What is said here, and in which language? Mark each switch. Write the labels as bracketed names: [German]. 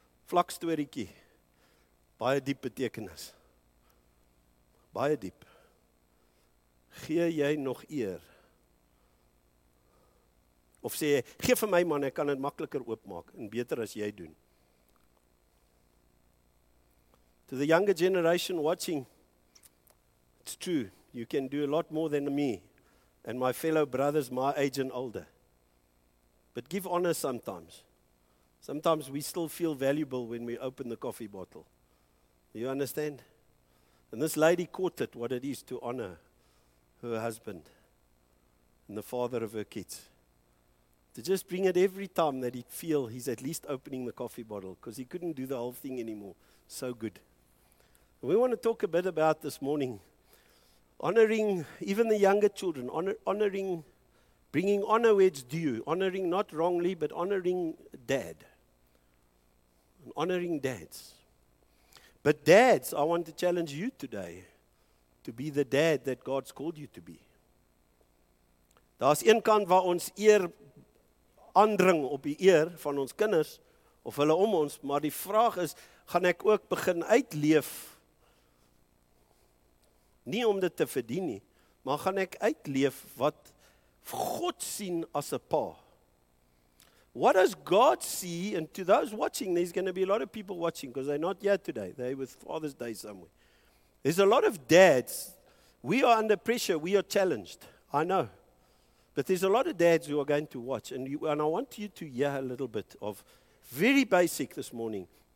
[Afrikaans] Vlak storiekie, baie diep betekenis. Baie diep. Gee jy nog eer? Of sê jy, gee vir my man, ek kan het makkeliker oopmaak en beter as jy doen. [English] To the younger generation watching, it's true, you can do a lot more than me and my fellow brothers my age and older. But give honor sometimes. Sometimes we still feel valuable when we open the coffee bottle. You understand? And this lady caught it, what it is to honor her husband and the father of her kids. To just bring it every time that he'd feel he's at least opening the coffee bottle, because he couldn't do the whole thing anymore. So good. We want to talk a bit about this morning, honoring even the younger children, honoring, bringing honor where it's due, honoring not wrongly, but honoring dad, and honoring dads. But dads, I want to challenge you today to be the dad that God's called you to be. [Afrikaans] Daar's een kant waar ons eer aandring op die eer van ons kinders of hulle om ons, maar die vraag is, gaan ek ook begin uitleef? Nie om dit te verdien nie, maar gaan ek uitleef wat God sien as 'n pa. [English] What does God see? And to those watching, there's going to be a lot of people watching because they're not here today. They're with Father's Day somewhere. There's a lot of dads. We are under pressure. We are challenged. I know. But there's a lot of dads who are going to watch. And I want you to hear a little bit of very basic this morning.